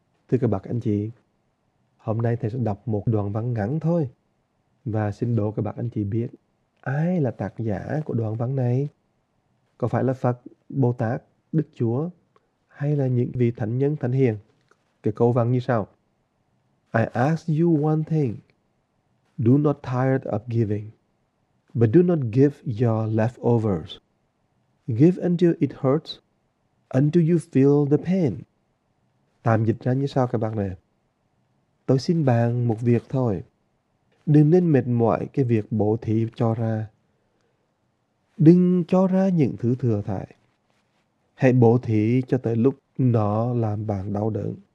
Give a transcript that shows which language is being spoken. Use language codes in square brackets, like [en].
[vi] Thưa các bác anh chị, hôm nay thầy sẽ đọc một đoạn văn ngắn thôi. Và xin đố các bác anh chị biết ai là tác giả của đoạn văn này? Có phải là Phật, Bồ Tát, Đức Chúa hay là những vị thánh nhân thánh hiền? Cái câu văn như sau: [en] I ask you one thing. Do not tire of giving, but do not give your leftovers. Give until it hurts, until you feel the pain. [vi] Tạm dịch ra như sau các bạn nè. Tôi xin bạn một việc thôi. Đừng nên mệt mỏi cái việc bố thí cho ra. Đừng cho ra những thứ thừa thãi. Hãy bố thí cho tới lúc nó làm bạn đau đớn.